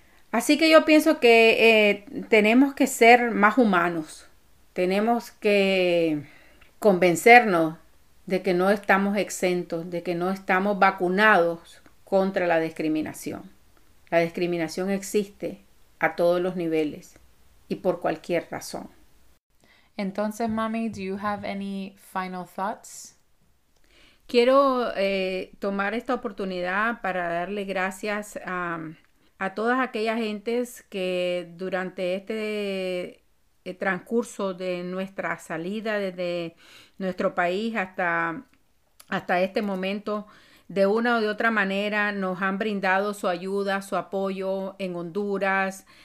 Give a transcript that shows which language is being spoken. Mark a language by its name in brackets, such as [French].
[Spanish] Así que yo pienso que tenemos que ser más humanos. Tenemos que convencernos de que no estamos exentos, de que no estamos vacunados contra la discriminación. La discriminación existe a todos los niveles y por cualquier razón. Entonces, mami, [English] do you have any final thoughts? [Spanish] Quiero tomar esta oportunidad para darle gracias a todas aquellas gentes que durante el transcurso de nuestra salida desde nuestro país hasta este momento, de una o de otra manera nos han brindado su ayuda, su apoyo en Honduras,